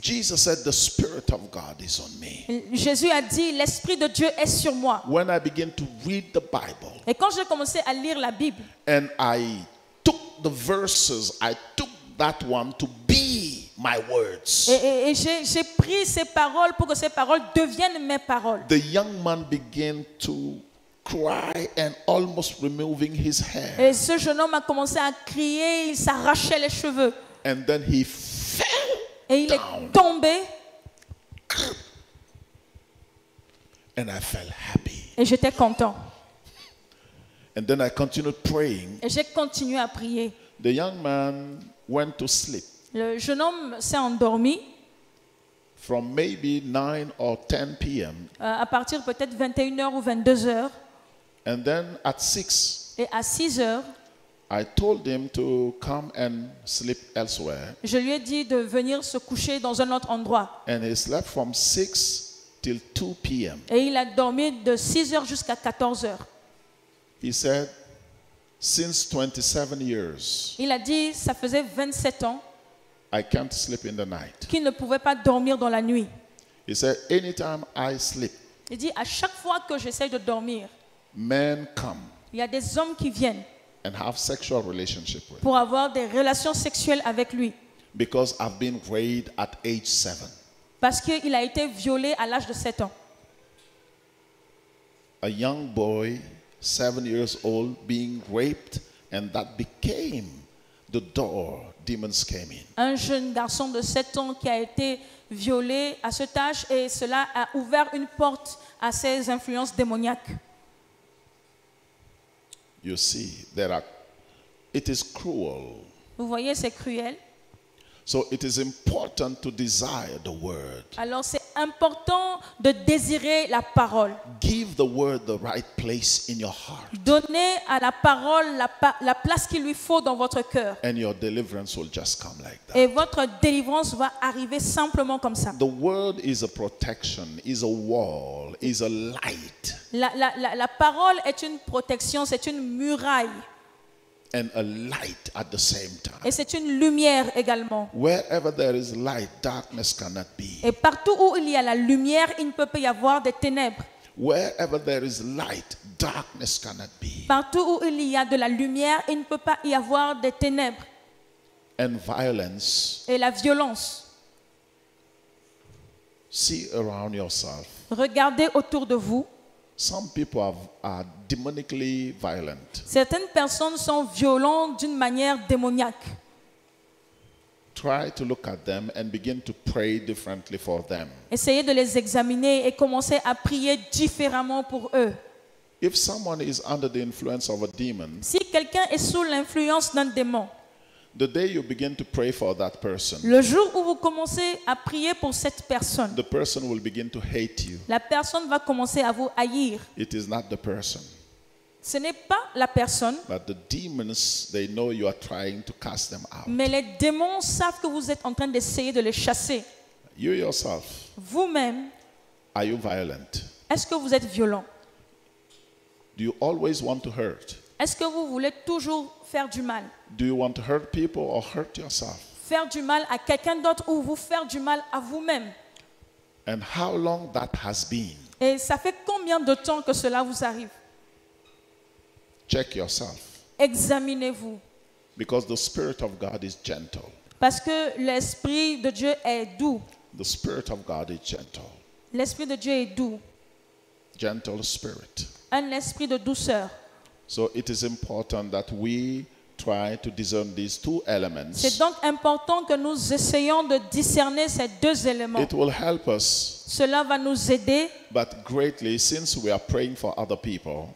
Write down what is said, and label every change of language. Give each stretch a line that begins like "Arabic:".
English: Jesus said, "The Spirit of God is on me."
French: Jésus a dit, l'Esprit de Dieu est sur moi.
English: When I begin to read the Bible.
French: Et quand j'ai commencé à lire la Bible.
English: And I took the verses, I took that one to be my words.
French: Et j'ai pris ces paroles pour que ces paroles deviennent mes paroles.
English: The young man began to cry and almost removing his hair.
French: Et ce jeune homme a commencé à crier, il s'arrachait les cheveux.
English: And then he fell down.
French: Et il est tombé.
English: And I felt happy.
French: Et j'étais content.
English: And then I continued praying.
French: Et j'ai continué à prier.
English: The young man went to sleep.
French: Le jeune homme s'est endormi.
English: From maybe 9 or 10 p.m.
French: À partir peut-être 21h ou 22h.
English: And then at 6.
French: Et à 6h,
English: I told him to come and sleep elsewhere.
French: Je lui ai dit de venir se coucher dans un autre endroit.
English: And he slept from 6 till 2 p.m.
French: Et il a dormi de 6h jusqu'à 14h.
English: He said, "Since 27 years."
French: Il a dit, ça faisait 27 ans.
English: I can't sleep in the night.
French: Qu'il ne pouvait pas dormir dans la nuit.
English: He said, "Anytime I sleep."
French: Il dit, à chaque fois que j'essaie de dormir.
English: Men come.
French: Il y a des hommes qui viennent.
English: And have sexual relationship with.
French: Pour avoir des relations sexuelles avec lui.
English: Because I've been raped at age 7.
French: Parce qu'il a été violé à l'âge de 7 ans.
English: A young boy, 7 years old, being raped, and that became the door demons came in.
French: Un jeune garçon de 7 ans qui a été violé à cet âge et cela a ouvert une porte à ces influences démoniaques.
English: You see, it is cruel.
French: Vous voyez, c'est cruel.
English: So it is important to desire the word.
French: Alors c'est important de désirer la parole.
English: Give the word the right place in your heart.
French: Donnez à la parole la place qu'il lui faut dans votre cœur.
English: And your deliverance will just come like that.
French: Et votre délivrance va arriver simplement comme ça.
English: The word is a protection, is a wall, is a light.
French: La parole est une protection, c'est une muraille.
English: And a light at the same time.
French: Et c'est une lumière également.
English: Wherever there is light, darkness cannot be.
French: Et partout où il y a la lumière, il ne peut pas y avoir des ténèbres.
English: Wherever there is light, darkness cannot be.
French: Partout où il y a de la lumière, il ne peut pas y avoir des ténèbres.
English: And violence.
French: Et la violence.
English: See around yourself.
French: Regardez autour de vous.
English: Some people are demonically violent.
French: Certaines personnes sont violentes d'une manière démoniaque.
English: Try to look at them and begin to pray differently for them.
French: Essayez de les examiner et commencez à prier différemment pour eux.
English: If someone is under the influence of a demon,
French: si quelqu'un est sous l'influence d'un démon,
English: the day you begin to pray for that person,
French: le jour où vous commencez à prier pour cette personne,
English: the person will begin to hate you.
French: La personne va commencer à vous haïr.
English: It is not the person.
French: Ce n'est pas la personne.
English: But the demons, they know you are trying to cast them out.
French: Mais les démons savent que vous êtes en train d'essayer de les chasser.
English: You yourself,
French: vous-même,
English: are you violent?
French: Est-ce que vous êtes violent?
English: Do you always want to hurt?
French: Est-ce que vous voulez toujours faire du mal?
English: Do you want to hurt people or hurt yourself?
French: Faire du mal à quelqu'un d'autre ou vous faire du mal à vous-même?
English: And how long that has been?
French: Et ça fait combien de temps que cela vous arrive?
English: Check yourself.
French: Examinez-vous.
English: Because the Spirit of God is gentle.
French: Parce que l'Esprit de Dieu est doux.
English: The Spirit of God is gentle.
French: L'Esprit de Dieu est doux.
English: Gentle spirit.
French: Un esprit de douceur.
English: So it is important that we try to discern these two elements.
French: C'est donc important que nous essayions de discerner ces deux éléments.
English: It will help us.
French: Cela va nous aider.
English: But greatly, since we are praying for other people.